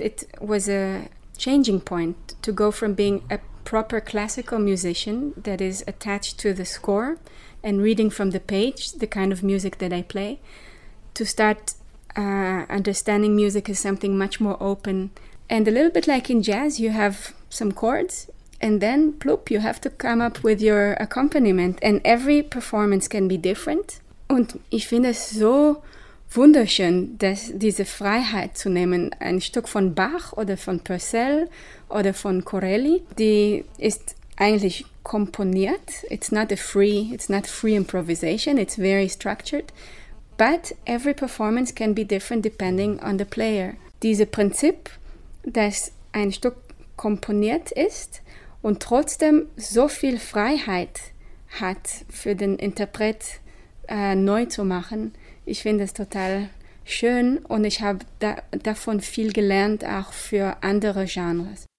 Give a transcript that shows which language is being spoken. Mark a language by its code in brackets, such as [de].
[en] It was a changing point to go from being a proper classical musician that is attached to the score and reading from the page, the kind of music that I play, to start understanding music as something much more open. And a little bit like in jazz, you have some chords, and then, ploop, you have to come up with your accompaniment. And every performance can be different. [de] Und ich finde es so wunderschön, dass diese Freiheit zu nehmen, ein Stück von Bach oder von Purcell oder von Corelli, die ist eigentlich komponiert. [en] It's not free improvisation, it's very structured. But every performance can be different depending on the player. [de] Dieses Prinzip, dass ein Stück komponiert ist und trotzdem so viel Freiheit hat für den Interpret neu zu machen, ich finde es total schön und ich habe davon viel gelernt, auch für andere Genres.